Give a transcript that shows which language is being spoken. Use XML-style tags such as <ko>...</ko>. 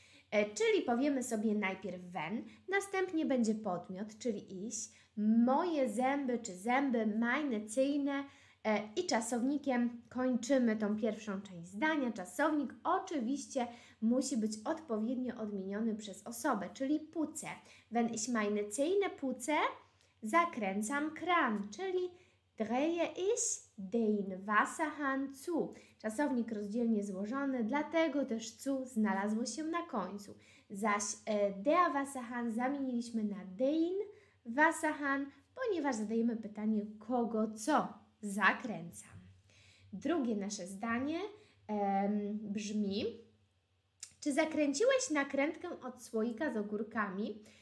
<pl>Czyli powiemy sobie najpierw wenn, następnie będzie podmiot, czyli ich, moje zęby czy zęby,</pl> <de>meine Zähne,</de> <pl>i czasownikiem kończymy tą pierwszą część zdania. Czasownik oczywiście musi być odpowiednio odmieniony przez osobę, czyli puce.</pl> <de>Wenn ich meine Zähne puce,</de> <pl>zakręcam kran, czyli</pl> <de>drehe ich den Wasserhahn zu.</de> <pl>Czasownik rozdzielnie złożony, dlatego też zu znalazło się na końcu. Zaś der Wasserhahn zamieniliśmy na den Wasserhahn, ponieważ zadajemy pytanie kogo co. Zakręcam. Drugie nasze zdanie brzmi: czy zakręciłeś nakrętkę od słoika z ogórkami?</pl>